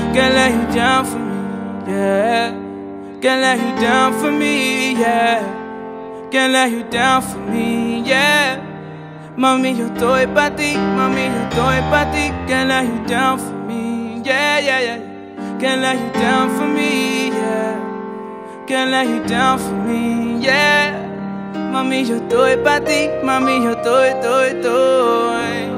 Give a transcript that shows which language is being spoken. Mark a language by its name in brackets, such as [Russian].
[English] Girl, are you down for me, yeah? Girl, are you down for me, yeah? Girl, are you down for me, yeah? [Spanish] Mami, yo estoy pa' ti, mami, yo estoy pa' ti. [English] Girl, are you down for me, yeah, yeah, yeah. Girl, are you down for me, yeah. Girl, are you down for me, yeah. [Spanish] Mami, yo estoy pa' ti, mami, yo estoy, estoy, estoy.